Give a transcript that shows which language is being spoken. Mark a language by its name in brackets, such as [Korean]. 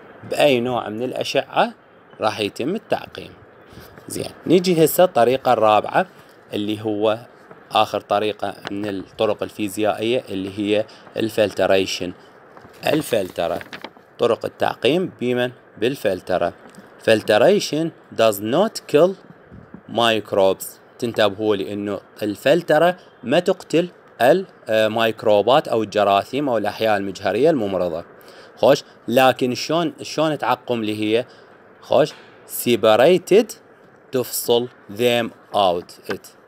[Arabic] باي نوع من الاشعة راح يتم التعقيم. زين نيجي هسه الطريقة الرابعة اللي هو اخر طريقة من الطرق الفيزيائية اللي هي الفلتريشن. الفلترة طرق التعقيم بمن؟ بالفلترة. [English] Filtration does not kill microbes. [Arabic] تنتبهوا لانه الفلترة ما تقتل الميكروبات او الجراثيم او الاحياء المجهرية الممرضة. خوش لكن شون تعقم لي هي؟ خوش separated تفصل [English] them out it.